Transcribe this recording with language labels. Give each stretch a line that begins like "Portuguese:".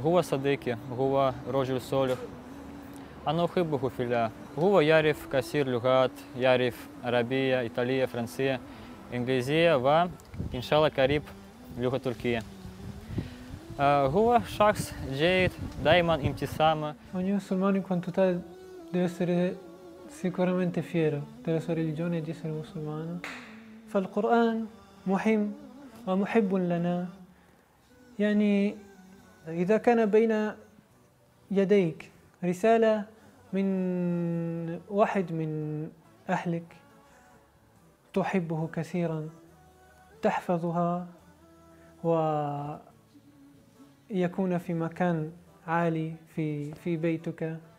Arabic: هو صديقي هو رجل صالح أنا أحبه في الله هو يعرف كثير لغات يعرف عربية إيطالية فرنسية إنجليزية وإن شاء الله قريب لغة تركية هو شخص جيد دائما ابتسام.
Italian: Ogni musulmano in quanto tale deve essere sicuramente fiero della sua religione e di essere musulmano.
Arabic: فالقرآن مهم ومحب لنا. يعني إذا كان بين يديك رسالة من واحد من أهلك تحبه كثيرا. تحفظها ويكون في مكان عالي في بيتك.